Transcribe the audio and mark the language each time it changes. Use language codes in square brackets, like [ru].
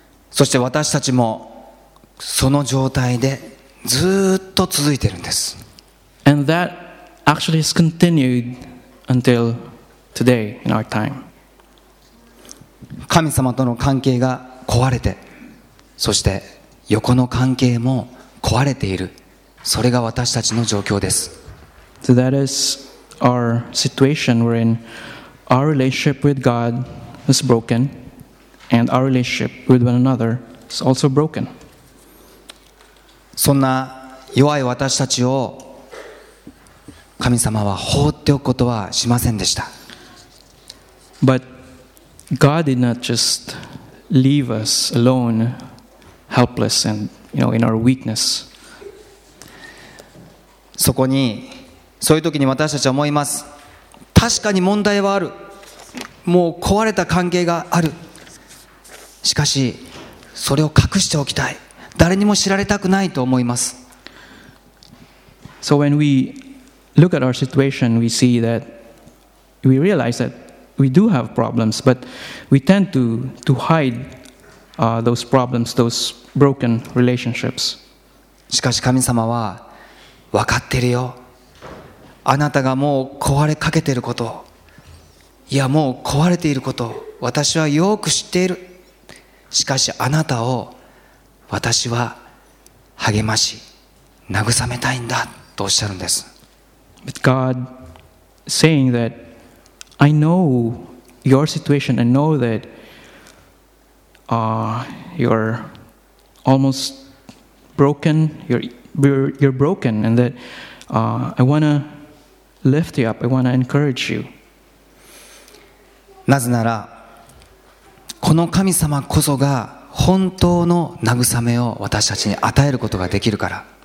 [ja] そして私たちもその状態でずっと続いているんです。 [en] And that actually has continued until today in our time. [ja] 神様との関係が壊れて、そして横の関係も壊れている。それが私たちの状況です。 [en] So that is our situation. We're in our relationship with God is broken, and our relationship with one another is also broken. [ja] そんな弱い私たちを神様は放っておくことはしませんでした。 [en] But God did not just leave us alone, helpless and, you know, in our weakness. [ja] そこに、そういう時に私たちは思います。確かに問題はある。もう壊れた関係がある。しかし、それを隠しておきたい。誰にも知られたくないと思います。 [en] So when we look at our situation, we see that we realize that we do have problems, but we tend to hide those problems, those broken relationships. [ja] しかし神様は分かってるよ。あなたがもう壊れかけていること、いやもう壊れていること、私はよく知っている。しかしあなたを私は励まし、慰めたいんだとおっしゃるんです。 [en] But God saying that I know your situation, I know that you're almost broken, you're broken, and that I wanna lift you up, I wanna encourage you. [ja] なぜなら、この神様こそが本当の慰めを私たちに与えることができるから。